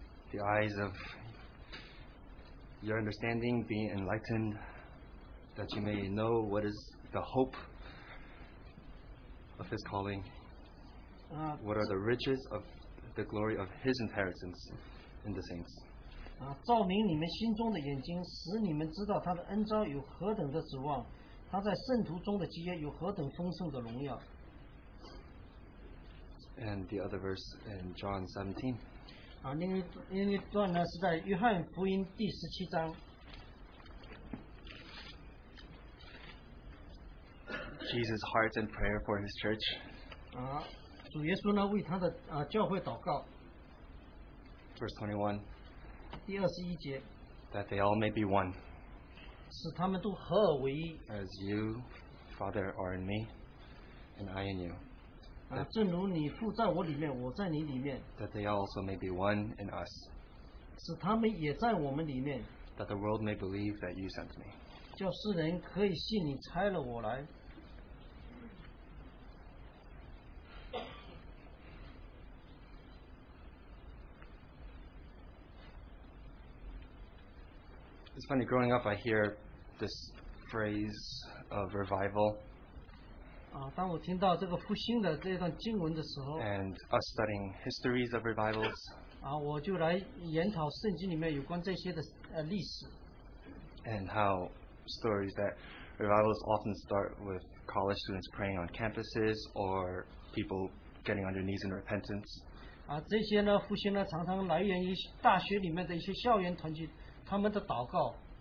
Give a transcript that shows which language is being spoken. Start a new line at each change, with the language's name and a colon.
English: The eyes of your understanding being enlightened, that you may know what is the hope of his calling, what are the riches of the glory of his inheritance in the saints.
Chinese: 照明你们心中的眼睛，使你们知道他的恩召有何等的指望。他在圣徒中的基业有何等丰盛的荣耀。
English: And the other verse in John 17.
Chinese: 另一段呢是在约翰福音第17章。
English: Jesus' heart and prayer for his church.
Chinese: 主耶稣呢为他的教会祷告。
English: Verse 21.
Chinese: 第21节。
English: That they all may be one.
Chinese: 使他们都合而为一,
English: as you, Father, are in me, and I in you.
Chinese: 正如你父在我里面，我在你里面。
English: That they also may be one in us.
Chinese: 使他们也在我们里面。
English: That the world may believe that you sent me.
Chinese: 叫世人可以信你差了我来。
English: It's funny, growing up, I hear this phrase of revival.
Chinese: 当我听到这个复兴的这段经文的时候,
English: and us studying histories of revivals,
Chinese: 我就来研讨圣经里面有关这些的历史,
English: and how stories that revivals often start with college students praying on campuses or people getting on their knees in repentance.
Chinese: 这些呢，复兴呢，常常来源于大学里面的一些校园团体，他们的祷告。